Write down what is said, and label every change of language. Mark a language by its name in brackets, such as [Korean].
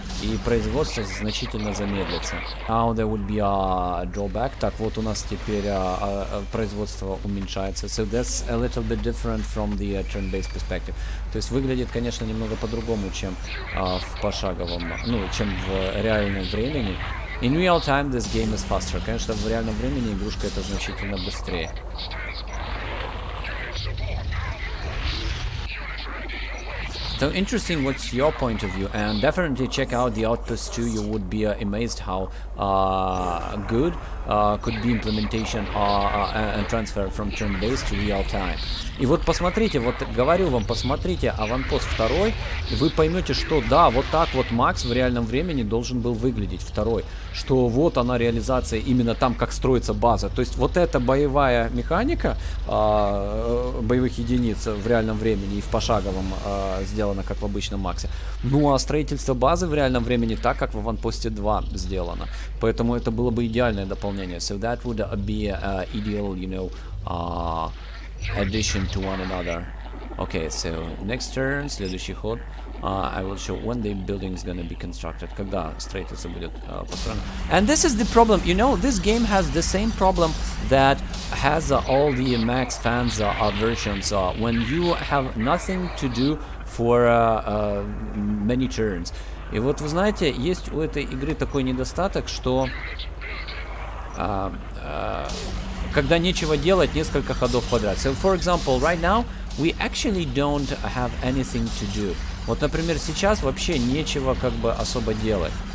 [Russian] И производство значительно замедлится. [English] Now there would be a drawback. [Russian] Так, вот у нас теперь производство уменьшается. [English] So that's a little bit different from the turn-based perspective. [Russian] То есть выглядит, конечно, немного по-другому, чем в пошаговом, ну, чем в реальном времени. [English] In real time, this game is faster. [Russian] Конечно, в реальном времени игрушка это значительно быстрее. [English] So interesting, what's your point of view? And definitely check out the Outpost 2. You would be amazed how good. could be implementation and transfer from turn-based to real-time. [Russian] И вот посмотрите, вот говорю вам, посмотрите аванпост второй, и вы поймете, что да, вот так вот Макс в реальном времени должен был выглядеть второй, что вот она реализация именно там, как строится база. То есть вот эта боевая механика боевых единиц в реальном времени и в пошаговом сделана, как в обычном Максе. Ну а строительство базы в реальном времени так, как в аванпосте 2 сделано. Поэтому это было бы идеальное дополнение. [English] So that would be ideal, you know, addition to one another. Okay, so next turn, [Russian] следующий ход. [English] I will show when the building is gonna be constructed. [Russian] Когда строительство будет построено. [English] And this is the problem, you know, this game has the same problem that has all the Max fans versions. When you have nothing to do for many turns. [Russian] И вот вы знаете, есть у этой игры такой недостаток, что когда нечего делать несколько ходов подряд. [English] So, for example, right now we actually don't have anything to do. [Russian] Вот, например, сейчас вообще нечего как бы особо делать.